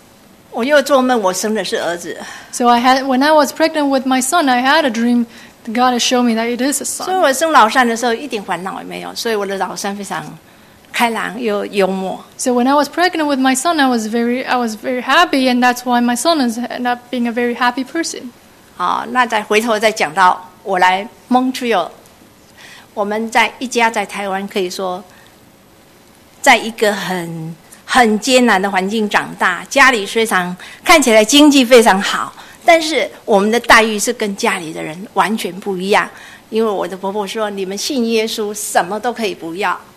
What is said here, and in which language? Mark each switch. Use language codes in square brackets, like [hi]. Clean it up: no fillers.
[zh] 要生这个儿子的时候，我又做梦，我生的是儿子。So [en] when I was pregnant with my son, I had a dream. God showed me that it is a son. [zh] 所以我生老三的时候一点烦恼也没有，所以我的老三非常开朗又幽默。So [en] when I was pregnant with my son, I was very happy, and that's why my son has ended up being a very happy person. [zh] 好，那再回头再讲到。我来Montreal 我们在一家在台湾可以说在一个很艰难的环境长大家里虽然看起来经济非常好但是我们的待遇是跟家里的人完全不一样因为我的婆婆说你们信耶稣什么都可以不要